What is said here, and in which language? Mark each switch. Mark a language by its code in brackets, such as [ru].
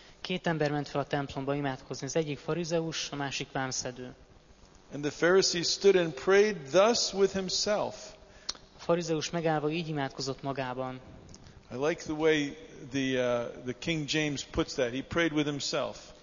[hu] Két ember ment fel a templomba imádkozni, az egyik farizeus, a másik vámszedő. [en] And the Pharisee stood and prayed thus with himself. [hu] A farizeus megállva így imádkozott magában. [en] I like the way the King James puts that. He prayed with himself.